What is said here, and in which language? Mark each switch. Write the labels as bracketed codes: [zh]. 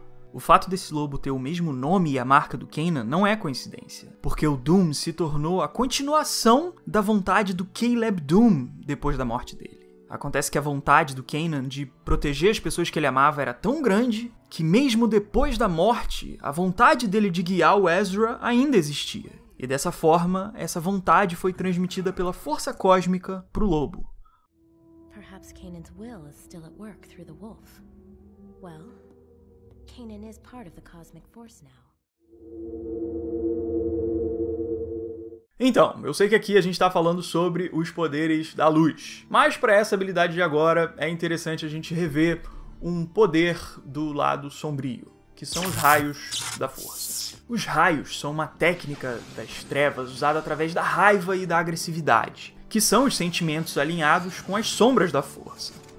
[pt] O fato desse lobo ter o mesmo nome e a marca do Kanan não é coincidência, porque o Doom se tornou a continuação da vontade do Caleb Doom depois da morte dele. Acontece que a vontade do Kanan de proteger as pessoas que ele amava era tão grande que mesmo depois da morte, a vontade dele de guiar o Ezra ainda existia. E dessa forma, essa vontade foi transmitida pela força cósmica pro lobo. [en] Perhaps Kanan's will is still at work through the wolf. Well, Kanan is part of the cosmic force now. [pt] Então, eu sei que aqui a gente tá falando sobre os poderes da luz. Mas para essa habilidade de agora, é interessante a gente rever um poder do lado sombrio, que são os raios da força. Os raios são uma técnica das trevas usada através da raiva e da agressividade, que são os sentimentos alinhados com as sombras da força.